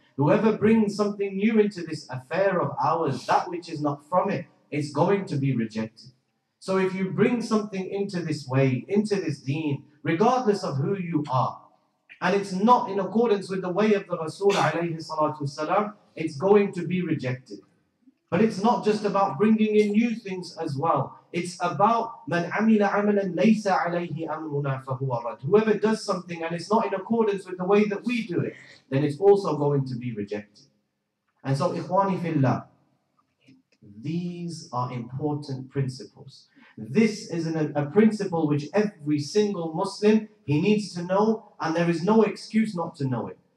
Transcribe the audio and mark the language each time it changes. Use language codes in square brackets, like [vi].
[en] Whoever brings something new into this affair of ours, that which is not from it, is going to be rejected. So if you bring something into this way, into this deen, regardless of who you are, and it's not in accordance with the way of the Rasul alayhi salatu wasalam, it's going to be rejected. But it's not just about bringing in new things as well. [ar] It's about مَنْ عَمِلَ عَمَلًا لَيْسَ عَلَيْهِ أَمْرُنَا فَهُوَ رَدْ. [en] Whoever does something and it's not in accordance with the way that we do it, then it's also going to be rejected. And so, [ar] إِخْوَانِ فِي اللَّهِ, [en] these are important principles. This is a principle which every single Muslim, he needs to know, and there is no excuse not to know it.